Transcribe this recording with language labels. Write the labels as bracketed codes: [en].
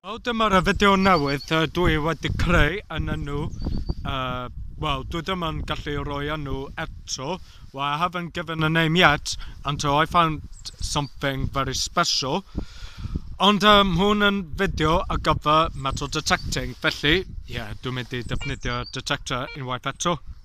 [cy] Wel, dyma'r fideo newydd dwi wedi creu yn enw. Wel, dwi ddim yn gallu rhoi enw eto. [en] Well, I haven't given a name yet until I found something very special. [cy] Ond hwn yn fideo ar gyfer metal detecting. Felly, ie, yeah, dwi'n mynd I defnyddio detector unwaith eto.